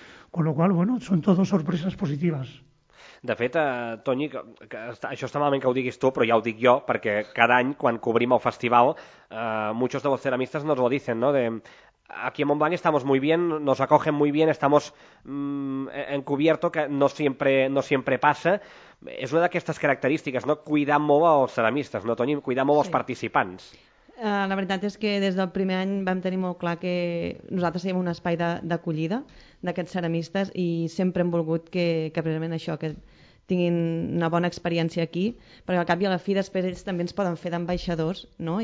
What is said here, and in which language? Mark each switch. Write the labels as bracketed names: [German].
[Spanish] Con lo cual, bueno, son todo sorpresas positivas. [Catalan] De fet, Toni, això està malament que ho diguis tu, però ja ho dic jo, perquè cada any, quan cobrim el festival, muchos de los ceramistas nos lo dicen, ¿no? [Spanish] Aquí en Montblanc estamos muy bien, nos acogen muy bien, estamos encubierto, que no siempre pasa. [Catalan] És una d'aquestes característiques, ¿no? Cuidar molt els ceramistes, ¿no, Toni? Cuidar molt els participants. La veritat és que des del primer any vam tenir molt clar que nosaltres seríem un espai d'acollida d'aquests ceramistes i sempre hem volgut que precisament això, que tinguin una bona experiència aquí, perquè al cap i a la fi després ells també ens poden fer d'ambaixadors, no?